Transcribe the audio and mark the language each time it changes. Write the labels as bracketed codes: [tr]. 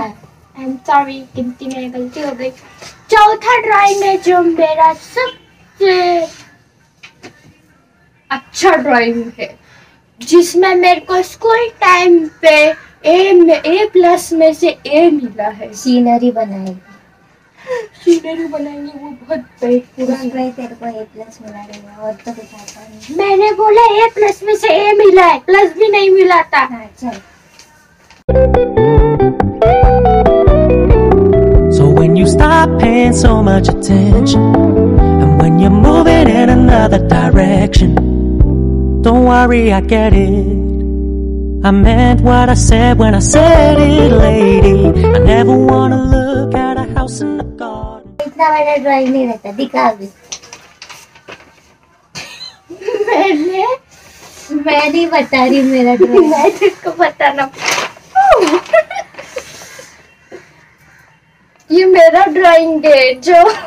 [hi] I am sorry गिनती में गलती हो गई चौथा ड्राइंग है जो मेरा सबसे अच्छा ड्राइंग है जिसमें मेरे को स्कूल टाइम पे ए प्लस में से ए मिला है सीनरी बनाएगी सीनरी बनाएगी वो बहुत बेहतर है तेरे को ए प्लस मिला है और तो बताता नहीं मैंने बोला ए प्लस में से ए मिला है प्लस भी नहीं मिला था हाँ चल [en] So when you stop paying so much attention and when you're moving in another direction don't worry I get it I meant what I said when I said it, lady. I never wanna look at a house in the garden. [hi] इतना बड़ा drawing नहीं रहता, दिखा भी। मैं नहीं बता रही मेरा ड्राइंग। मैं तुझको बताना। ये मेरा ड्राइंग है जो